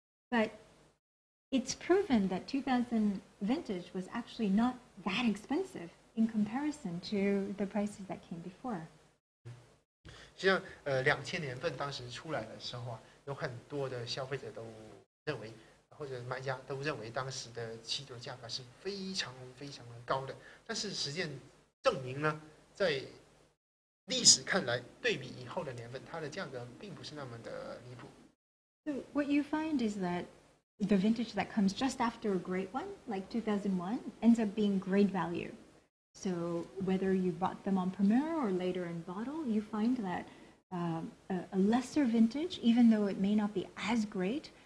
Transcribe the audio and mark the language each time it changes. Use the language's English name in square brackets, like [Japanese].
[English] But it's proven that 2000 vintage was actually not that expensive in comparison to the prices that came before. [Chinese] 像2000年份当时出来的时候啊，有很多的消费者都认为。或者买家都认为当时的汽酒价格是非常非常的高的，但是实践证明呢，在历史看来，对比以后的年份，它的价格并不是那么的离谱。 [English] So what you find is that the vintage that comes just after a great one, like 2001, ends up being great value. So whether you bought them on Premier or later in bottle, you find that a lesser vintage, even though it may not be as great.